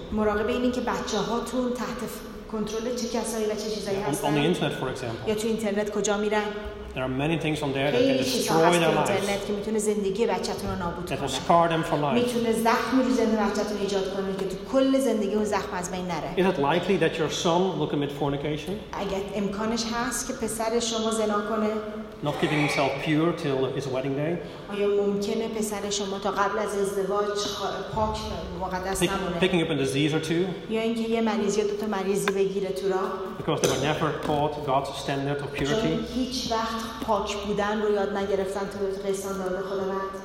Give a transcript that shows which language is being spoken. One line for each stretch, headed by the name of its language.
Persian: مراقب اینین که بچه‌هاتون تحت کنترل چه کسایی و چه چیزایی هستن؟
English: On the internet, for example.
Persian: یا تو اینترنت کجا میرن؟
English: There are many things on there that can destroy their lives.
Persian: اینترنت که میتونه زندگی بچه‌تون رو نابود کنه.
English: That will scar them for life.
Persian: میتونه زخم رو زندگی بچه‌تون ایجاد کنه که تو کل زندگی اون زخم از بین نره.
English: Is it likely that your son will commit fornication?
Persian: اگر امکانش هست که پسر شما زنا کنه؟
English: Not keeping himself pure till his wedding day.
Persian: آیا ممکنه پسر شما تا قبل از ازدواج پاک و مقدس نمونه؟
English: Picking up a disease or two.
Persian: یا اینکه یه مریض یا دوتا مریضی بگیره تو راه.
English: Because they were never taught God's standard of purity.
Persian: چون هیچ وقت پاک بودن رو یاد نگرفتن تو قسمان داده خداوند.